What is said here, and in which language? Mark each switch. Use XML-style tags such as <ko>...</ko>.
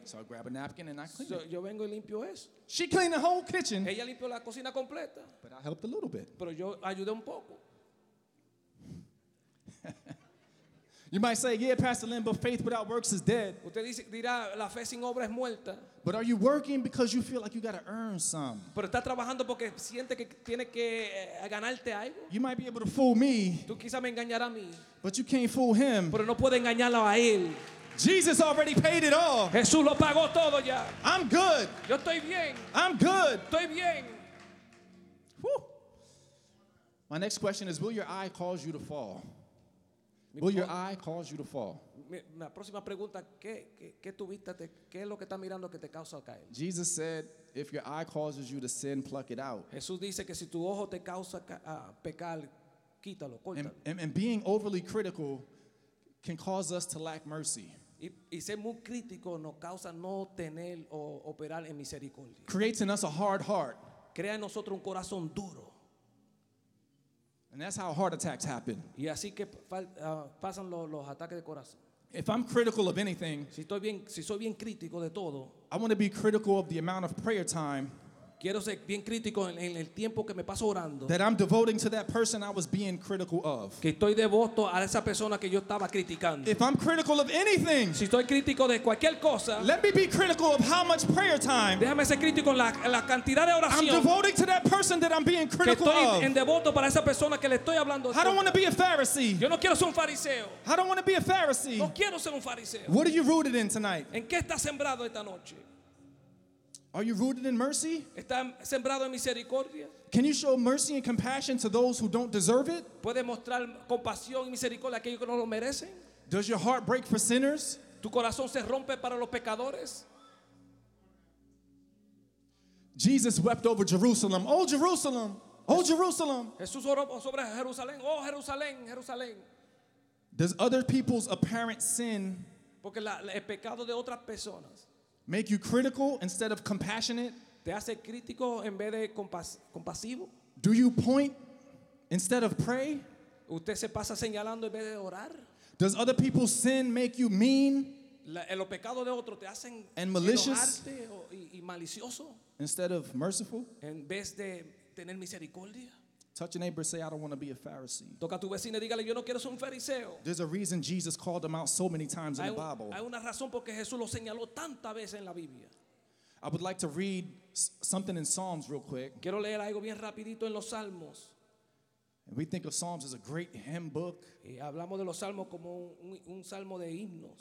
<en>So I grab a napkin and I clean so it.</en> <es>Yo vengo y limpio eso.</es> <en>She cleaned the whole kitchen.</en> <es>Ella limpió la cocina completa.</es> <en>But I helped a little bit.</en> <es>Pero yo ayudé un poco.</es> <en>You might say, yeah, Pastor Len, but faith without works is dead.</en> <es>Usted dice, dirá, la fe sin obra es muerta.</es> <en>But are you working because you feel like you got to earn some?</en> <es>Pero está trabajando porque siente que tiene que ganarte algo.</es> <en>You might be able to fool me.</en> <es>Tú quizá me engañará a mí.</es> <en>But you can't fool him.</en> <es>Pero no puede engañarlo a él.</es> <en>Jesus already paid it all.</en> <es>Jesús lo pagó todo ya.</es> <en>I'm good.</en> <es>Yo estoy bien.</es> <en>I'm good.</en> <es>Estoy bien. Whew.</es> <en>My next question is, will your eye cause you to fall? Will your eye cause you to fall?</en> <es>la próxima pregunta, ¿qué tuviste? ¿Qué es lo que está mirando que te causa caer?</es> <en>Jesus said, if your eye causes you to sin, pluck it out.</en> <es>Jesús dice que si tu ojo te causa pecar, quítalo, córtalo.</es> <en>And being overly critical can cause us to lack mercy.</en> <es>Y ser muy crítico nos causa no tener o operar en misericordia.</es> <en>Creates in us a hard heart.</en> <es>Crea en nosotros un corazón duro.</es> <en>And that's how heart attacks happen.</en> <es>Y así que pasan los ataques de corazón.</es> <en>If I'm critical of anything,</en> <es>si soy bien crítico de todo,</es> <en>I want to be critical of the amount of prayer time.</en> <es>Quiero ser bien crítico en el tiempo que me paso orando.</es> <en>That I'm devoting to that person I was being critical of.</en> <es>Que estoy devoto a esa persona que yo estaba criticando.</es> <en>If I'm critical of anything,</en> <es>si estoy crítico de cualquier cosa,</es> <en>let me be critical of how much prayer time.</en> <es>Déjame ser crítico en la cantidad de oración.</es> <en>I'm devoting to that person that I'm being critical</en> <es>que estoy</es> <en>of.</en> <es>En devoto para esa persona que le estoy hablando.</es> <en>I don't want to be a Pharisee.</en> <es>Yo no quiero ser un fariseo.</es> <en>I don't want to be a Pharisee.</en> <es>No quiero ser un fariseo.</es> <en>What are you rooted in tonight?</en> <es>¿En qué estás sembrado esta noche?</es> <en>Are you rooted in mercy?</en> <es>¿Está sembrado en misericordia?</es> <en>Can you show mercy and compassion to those who don't deserve it?</en> <es>¿Puede mostrar compasión y misericordia a aquellos que no lo merecen?</es> <en>Does your heart break for sinners?</en> <es>¿Tu corazón se rompe para los pecadores?</es> <en>Jesus wept over Jerusalem. Oh, Jerusalem! Oh, Jerusalem!</en> <es>Jesús oró sobre Jerusalén. Oh, Jerusalén, Jerusalén.</es> <en>Does other people's apparent sin,</en> <es>porque el pecado de otras personas,</es> <en>make you critical instead of compassionate?</en> <es>¿Te hace crítico en vez de compasivo?</es> <en>Do you point instead of pray?</en> <es>¿Usted se pasa señalando en vez de orar?</es> <en>Does other people's sin make you mean?</en> <es>¿Los pecados de otros te hacen</es> <en>and malicious</en> <es>y malicioso?</es> <en>Instead of merciful?</en> <es>¿En vez de tener misericordia?</es> <en>Touch your neighbor and say, I don't want to be a Pharisee.</en> <es>Toca a tu vecino y dígale, yo no quiero ser un fariseo.</es> <en>There's a reason Jesus called them out so many times in the Bible.</en> <es>Hay una razón porque Jesús lo señaló tantas veces en la Biblia.</es> <en>I would like to read something in Psalms real quick.</en> <es>Quiero leer algo bien rapidito en los Salmos.</es> <en>And we think of Psalms as a great hymn book.</en> <es>Y hablamos de los Salmos como un salmo de himnos.</es>